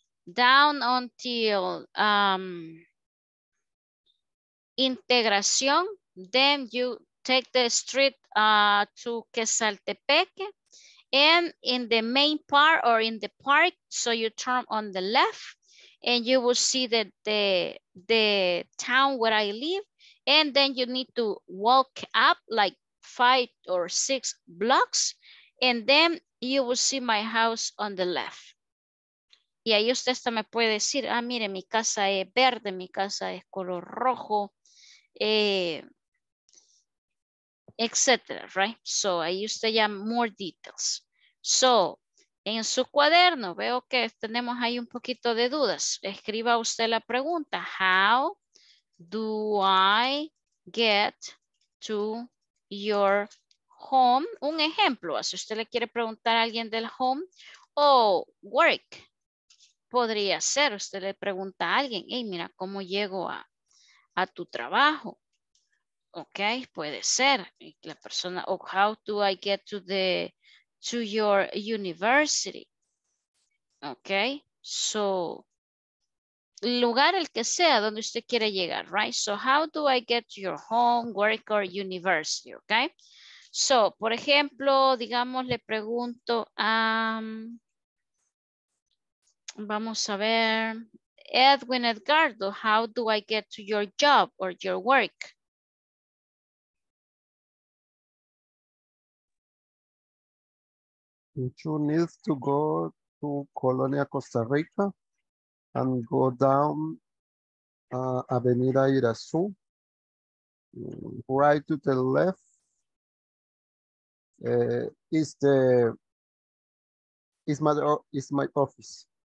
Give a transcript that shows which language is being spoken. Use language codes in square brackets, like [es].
[en] Down until Integración, then you take the street to Quetzaltepeque, and in the main part or in the park, so you turn on the left and you will see that the town where I live, and then you need to walk up like 5 or 6 blocks, and then you will see my house on the left. [es] Y ahí usted hasta me puede decir, ah, mire, mi casa es verde, mi casa es color rojo, etcétera, right? So, ahí usted ya more details. So, en su cuaderno, veo que tenemos ahí un poquito de dudas. Escriba usted la pregunta, how do I get to your home? Un ejemplo, si usted le quiere preguntar a alguien del home, o work. Podría ser, usted le pregunta a alguien, hey, mira, ¿cómo llego a tu trabajo? Ok, puede ser. [en] Y la persona, oh, how do I get to the to your university? [es] Ok, so, lugar el que sea donde usted quiere llegar, right? [en] So, how do I get to your home, work, or university? [es] Ok, so, por ejemplo, digamos, le pregunto a... [en] Vamos a ver, Edwin Edgardo, how do I get to your job or your work? You need to go to Colonia Costa Rica and go down Avenida Irazú, right to the left, is my office.